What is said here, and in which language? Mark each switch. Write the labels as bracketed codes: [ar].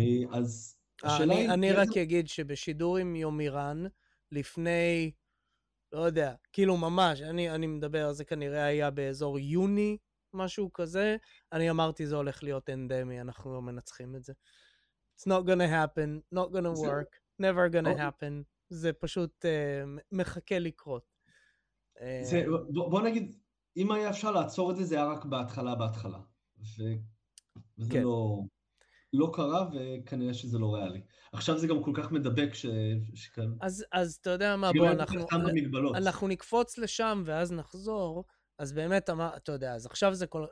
[he] אז השאלה היא... אני רק אגיד שבשידור עם יום איראן, לפני, לא יודע, כאילו ממש, אני מדבר, זה כנראה היה באזור יוני, משהו כזה, אני אמרתי זה הולך להיות אנדמי, אנחנו לא מנצחים את זה. [en] It's not gonna happen, not gonna work, never gonna happen. [he] זה פשוט מחכה לקרות. בוא נגיד, אם היה אפשר לעצור את זה, זה היה רק בהתחלה, בהתחלה. וזה לא קרה, וכנראה שזה לא ריאלי. עכשיו זה גם כל כך מדבק שכאן... אז אתה יודע מה, בוא, אנחנו נקפוץ לשם ואז נחזור, אז באמת, אתה יודע, אז עכשיו זה כל...